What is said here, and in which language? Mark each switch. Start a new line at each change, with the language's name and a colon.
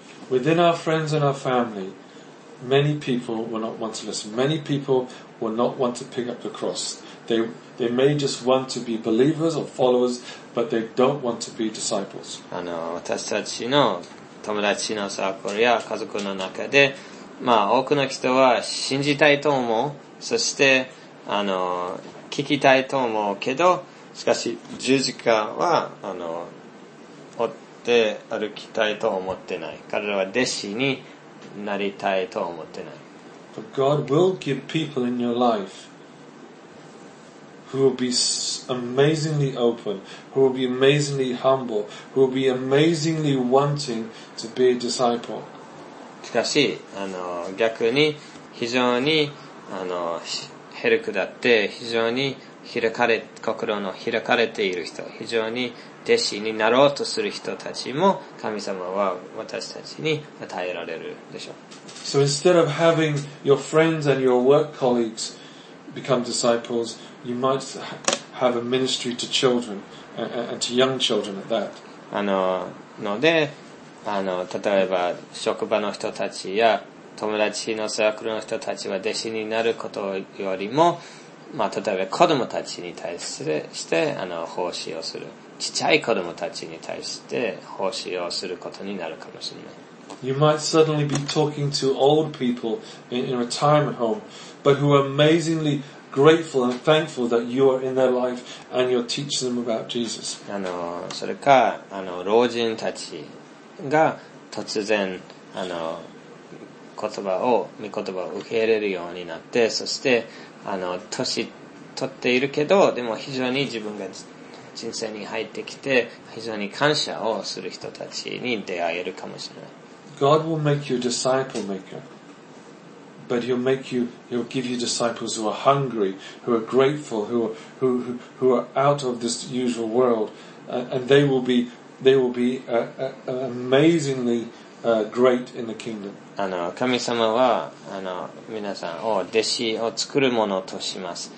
English: Within our friends and our family, many people will not want to listen. Many people will not want to pick up the cross. They may just want to be believers or followers, but they don't want to be disciples.
Japanese: 私たちの友達のサークルや家族の中でまあ、多くの人は信じたいと思う。そして、聞きたいと思うけど、しかし、十字架は、追って歩きたいと思ってない。彼らは弟子になりたいと思ってない。
English: But God will give people in your life who will be amazingly open, who will be amazingly humble, who will be amazingly wanting to be a disciple.
Japanese: しかし、逆に、非常に、ヘルクだって、非常に心の開かれている人、非常に弟子になろうとする人たちも、神様は私たちに与えられるでしょう。
English: So instead of having your friends and your work colleagues become disciples, you might have a ministry to children and to young children at that.
Japanese: ので、例えば職場の人たちや友達のサークルの人たちは弟子になることよりも、まあ、例えば子供たちに対して奉仕をする、ちっちゃい子供たちに対して奉仕をすることになるかもしれない。
English: You might suddenly be talking to old people in a retirement home, but who are amazingly grateful and thankful that you are in their life and you're teaching them about Jesus.
Japanese: それか老人たちが突然言葉を御言葉を受け入れるようになってそして年取っているけどでも非常に自分が人生に入ってきて非常に感謝をする人たちに出会えるかもしれない。
English: God will make you a disciple maker, but He'll make you, He'll give you disciples who are hungry, who are grateful, who are out of this usual world, and they will bebe amazingly great in the kingdom.
Japanese: 神様は皆さんを弟子を作るものとします。